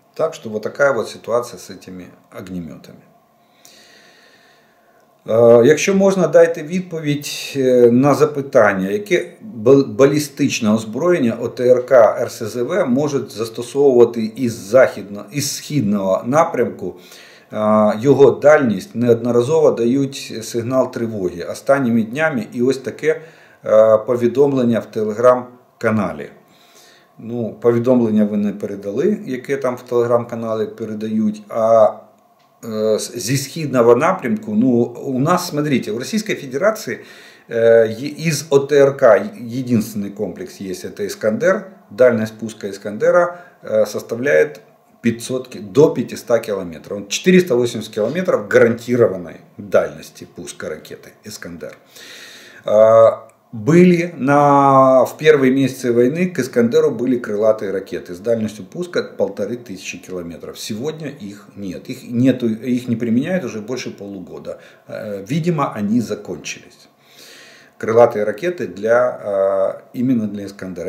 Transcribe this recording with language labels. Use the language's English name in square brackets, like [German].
[Russian] Так что вот такая вот ситуация с этими огнеметами. [Ukrainian] Якщо можна, дайте відповідь на запитання, яке балістичне озброєння ОТРК РСЗВ може застосовувати із східного напрямку. Його дальність неодноразово дають сигнал тривоги останніми днями, і ось таке повідомлення в телеграм-каналі. Ну, повідомлення ви не передали, яке там в телеграм-каналі передають, а зі східного напрямку, ну, у нас, смотрите, у Російської Федерації із ОТРК єдиний комплекс є, це Іскандер, дальність пуска Іскандера составляє 500, до 500 кілометрів. 480 кілометрів гарантованої дальності пуска ракети Іскандер. [Russian] Были в первые месяцы войны к «Искандеру» были крылатые ракеты с дальностью пуска 1500 километров. Сегодня их нет. Их не применяют уже больше полугода. Видимо, они закончились. Крылатые ракеты именно для «Искандера».